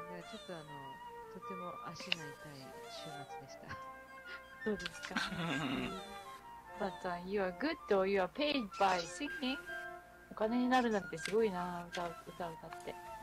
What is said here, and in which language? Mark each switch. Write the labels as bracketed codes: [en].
[ja] ちょっととても足が痛い週末でした。そうですか。 [en] But you are good or you are paid by singing? [ja] お金になるなんてすごいな、歌って。